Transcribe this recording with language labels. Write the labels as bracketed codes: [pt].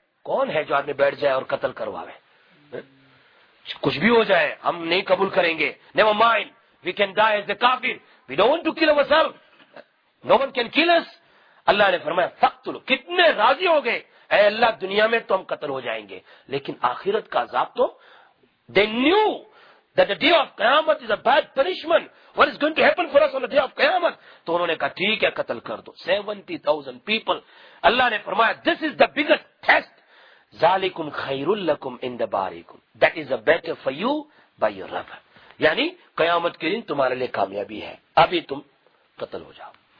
[ur] کون ہے جو آدمی بیٹھ جائے اور قتل کروائے؟ کچھ بھی ہو جائے ہم نہیں قبول کریں گے. [en] Never mind, we can die as a kafir, we don't want to kill our self, no one can kill us. [ur] اللہ نے فرمایا فقتلوا, کتنے راضی ہو گئے اے اللہ دنیا میں تو ہم قتل ہو جائیں گے لیکن آخرت کا عذاب تو. [en] They knew that the day of qayamat is a bad punishment, what is going to happen for us on the day of qayamat. [ur] تو انہوں نے کہا ٹھیک ہے قتل کر دو 70,000 پیپل. اللہ نے فرمایا [en] this is the biggest test, [ar] ذالکم خیر لکم عند بارکم, [en] that is a better for you by your رب, [ur] یعنی قیامت کے دن تمہارے لیے کامیابی ہے, ابھی تم قتل ہو جاؤ.